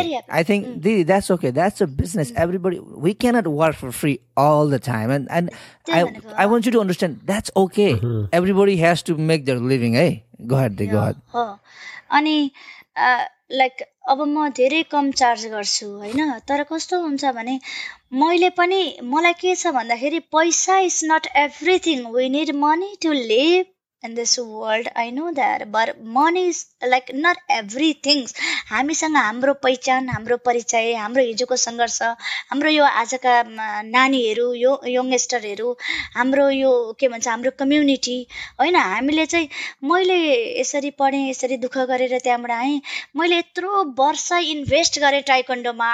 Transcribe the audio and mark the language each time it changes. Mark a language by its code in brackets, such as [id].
[en] I think didi that's okay, that's a business. Everybody we cannot work for free all the time, and and I want you to understand that's okay, everybody has to make their living है. Go ahead. [ne] अनि like अब म धेरै कम charge गर्छु होइन, तर कस्तो हुन्छ भने मैले पनि मलाई के छ भन्दाखेरि पैसा [en] Is not everything, we need money to live in this world. I know that, but money is like not everything. [ne] हामीसँग हाम्रो पहिचान, हाम्रो परिचय, हाम्रो हिजोको सङ्घर्ष, हाम्रो यो आजका नानीहरू, यो यङ्गेस्टरहरू, हाम्रो यो के भन्छ हाम्रो कम्युनिटी होइन. हामीले चाहिँ मैले यसरी पढेँ, यसरी दुःख गरेर त्यहाँबाट आएँ, मैले यत्रो वर्ष इन्भेस्ट गरेँ टाइकोन्डोमा.